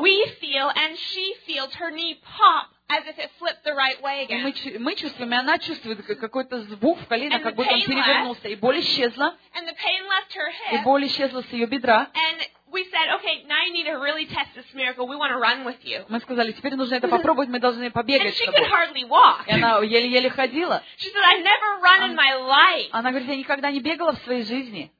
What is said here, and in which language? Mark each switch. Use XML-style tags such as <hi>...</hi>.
<en>We feel and she feels her knee pop as if it flipped the right way again.</en> <ru>Мы чувствуем, и она чувствует какой-то звук в колено, как будто он перевернулся,</ru> <en>left.</en> <ru>И боль исчезла.</ru> <en>And the pain left her hip.</en> <ru>И боль исчезла с ее бедра.</ru> <en>And we said, okay, now you need to really test this miracle. We want to run with you.</en> <ru>Мы сказали, теперь нужно это попробовать. Мы должны побегать.</ru> <en>And she could hardly walk.</en> <ru>И она еле-еле ходила.</ru> <en>She said, I've never run in my life.</en> <ru>Она говорит, я никогда не бегала в своей жизни.</ru>